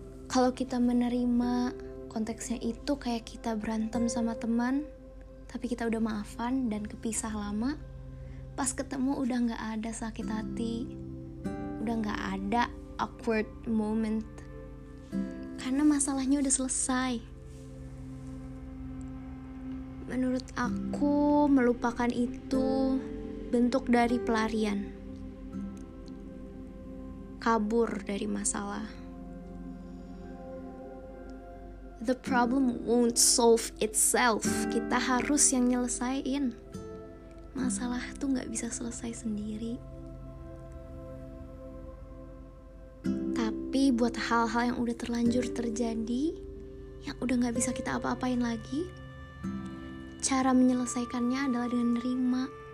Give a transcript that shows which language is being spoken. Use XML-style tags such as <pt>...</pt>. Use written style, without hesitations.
<id>Kalau kita menerima konteksnya itu kayak kita berantem sama teman, tapi kita udah maafan dan kepisah lama, pas ketemu udah gak ada sakit hati, udah gak ada awkward moment, karena masalahnya udah selesai. Menurut aku, melupakan itu bentuk dari pelarian, kabur dari masalah.</id> <en>The problem won't solve itself.</en> <id>Kita harus yang nyelesain. Masalah tuh gak bisa selesai sendiri. Tapi buat hal-hal yang udah terlanjur terjadi, yang udah gak bisa kita apa-apain lagi, cara menyelesaikannya adalah dengan nerima.</id>